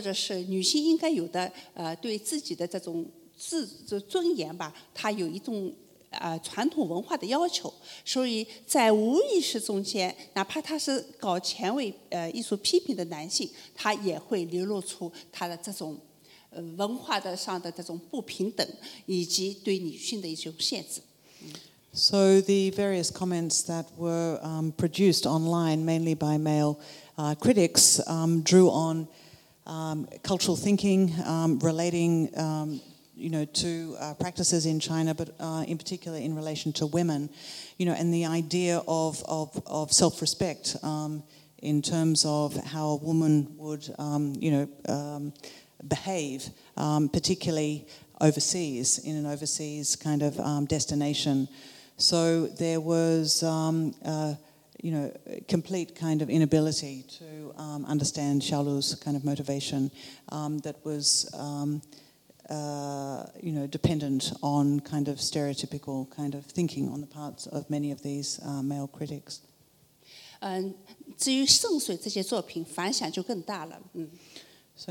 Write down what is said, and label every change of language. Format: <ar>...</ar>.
<zh>当然，这里面就是隐含了中国知识分子对自己文化的一种认识，同时对中国环境里面她女性应该有的这种洁身自好，或者是女性应该有的对自己的这种 自尊严吧，他有一种传统文化的要求，所以在无意识中间，哪怕他是搞前卫艺术批评的男性，他也会流露出他的这种文化上的这种不平等，以及对女性的一种限制。So</zh> <en>the various comments that were produced online, mainly by male critics, drew on cultural thinking relating you know, to practices in China, but in particular in relation to women, you know, and the idea of self-respect in terms of how a woman would, you know, behave, particularly overseas, in an overseas kind of destination. So there was, you know, complete kind of inability to understand Xiaolu's kind of motivation that was you know, dependent on kind of stereotypical kind of thinking on the parts of many of these male critics.</en> <zh>至于圣水这些作品反响就更大了。So</zh>